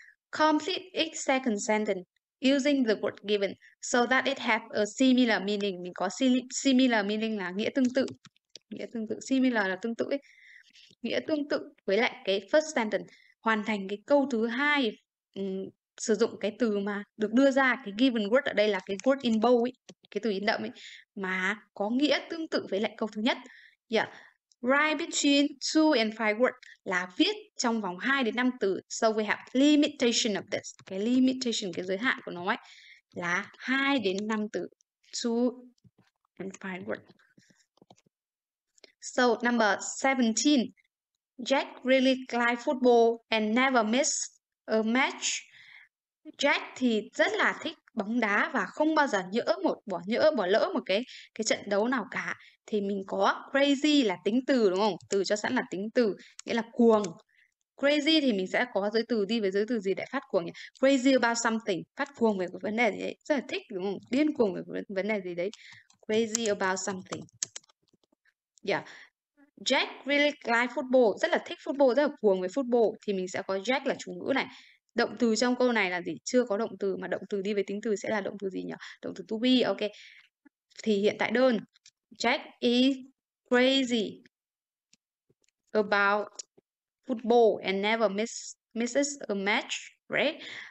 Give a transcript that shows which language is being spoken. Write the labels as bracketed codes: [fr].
[en] Complete each second sentence using the word given so that it have a similar meaning. [vi] Mình có similar meaning là nghĩa tương tự. Nghĩa tương tự. Similar là tương tự ấy. Nghĩa tương tự với lại cái first sentence. Hoàn thành cái câu thứ hai sử dụng cái từ mà được đưa ra, cái given word ở đây là cái word in bold ấy, cái từ in đậm ấy, mà có nghĩa tương tự với lại câu thứ nhất. [en] Write between two and five words [vi] là viết trong vòng 2 đến 5 từ. [en] So we have limitation of this. [vi] Cái limitation, cái giới hạn của nó ấy là 2 đến 5 từ. [en] Two and five words. So number 17. Jack really like football and never miss a match. [vi] Jack thì rất là thích bóng đá và không bao giờ bỏ lỡ một cái trận đấu nào cả. Thì mình có crazy là tính từ đúng không? Từ cho sẵn là tính từ, nghĩa là cuồng. Crazy thì mình sẽ có giới từ đi với giới từ gì để phát cuồng nhỉ? [en] Crazy about something, [vi] phát cuồng về cái vấn đề gì đấy. Rất là thích đúng không? Điên cuồng về cái vấn đề gì đấy. [en] Crazy about something. Jack really like football, [vi] rất là thích football, rất là cuồng về football. Thì mình sẽ có Jack là chủ ngữ này. Động từ trong câu này là gì? Chưa có động từ, mà động từ đi với tính từ sẽ là động từ gì nhỉ? Động từ to be, ok. Thì hiện tại đơn. [en] Jack is crazy about football and never misses a match, right?